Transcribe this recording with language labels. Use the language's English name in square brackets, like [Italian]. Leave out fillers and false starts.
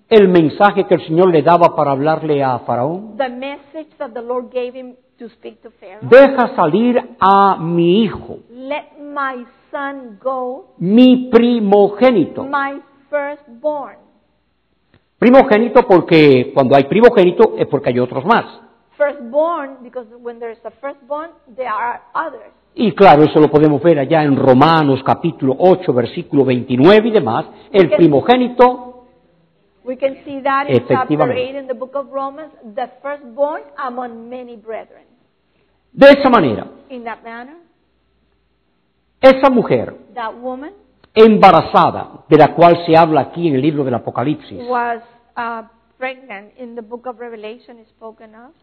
[Spanish] El mensaje que el Señor le daba para hablarle a Faraón. [English] The message that the Lord gave him to speak to Pharaoh. [Spanish] Deja salir a mi hijo. [English] Let my son go. [Spanish] Mi primogénito. [English] My firstborn. [Spanish] Primogénito porque cuando hay primogénito es porque hay otros más. [English] Firstborn because when there is a firstborn there are others. [Spanish] Y claro, eso lo podemos ver allá en Romanos capítulo 8 versículo 29 y demás. El primogénito. [English] We can see that in chapter 8 in the book of Romans, the firstborn among many brethren. [Spanish] De esa manera, [English] in that manner, [Spanish] esa mujer, [English] that woman, [Spanish] embarazada, de la cual se habla aquí en el libro del Apocalipsis, [English] was pregnant in the book of Revelation is spoken of,